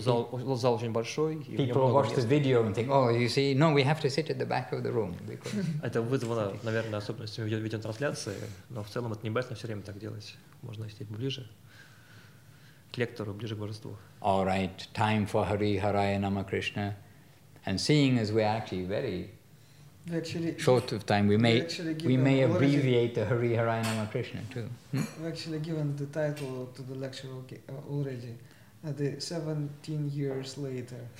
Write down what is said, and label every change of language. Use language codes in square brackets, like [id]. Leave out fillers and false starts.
[en] People watch the video and think, oh, you see, no, we have to sit at the back of the room. [ru] Это вызвано, наверное, особенностями видеотрансляции, но в целом это не обязательно все время так делать. Можно сидеть ближе к лектору, ближе к божеству. [en] All right, time for Hari Haraya Nama Krishna. And seeing as we're actually very short of time, we may abbreviate the Hari Haraya Nama Krishna too. We actually given the title to the lecture already. The 17 years later.